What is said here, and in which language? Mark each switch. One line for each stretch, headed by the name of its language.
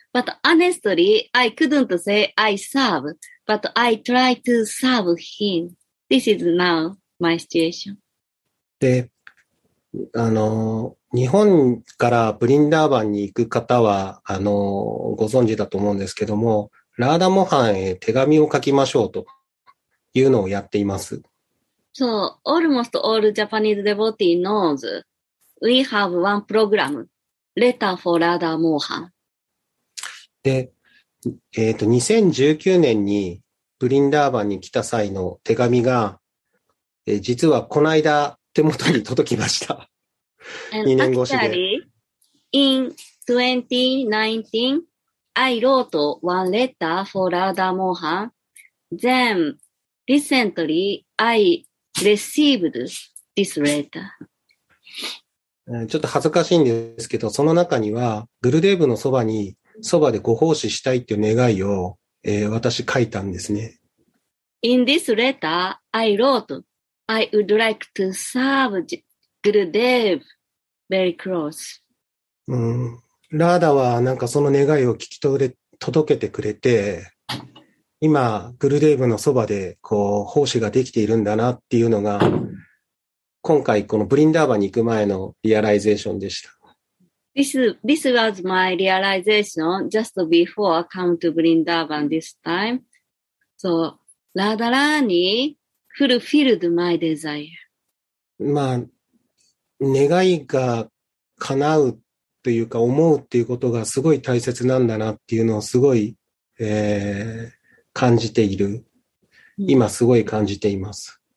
English: But honestly, I couldn't say I serve, but I try to serve him. This is now my situation.
Japanese: で、日本からブリンダーバンに行く方は、ご存知だと思うんですけども、ラーダモハンへ手紙を書きましょうというのをやっています。
English: So, almost all Japanese devotee knows we have one program, Letter for Radha Mohan.
Japanese: で、2019年にブリンダーバンに来た際の手紙が、実はこの間、手元に届きました。 2年越しで。
English: Actually, in 2019, I wrote one letter for Radha Mohan. Then, recently, I received this letter.
Japanese: ちょっと恥ずかしいんですけど、その中には、グルデーブのそばでご奉仕したいっていう願いを、私書いたんですね。
English: In this letter, I wrote,I would like to serve Gurudev very close.
Japanese: ラーダはなんかその願いを聞き取れ、届けてくれて、今、グルデーブのそばで、こう、奉仕ができているんだなっていうのが、今回、このブリンダーバに行く前のリアライゼーションでした。
English: This was my realization just before I come to Vrindavan this time. So, ラーダラーニーFulfilled my desire.
Japanese: まあ、願いが叶うというか思うっていうことがすごい大切なんだなっていうのをすごい、感じている。今すごい感じています。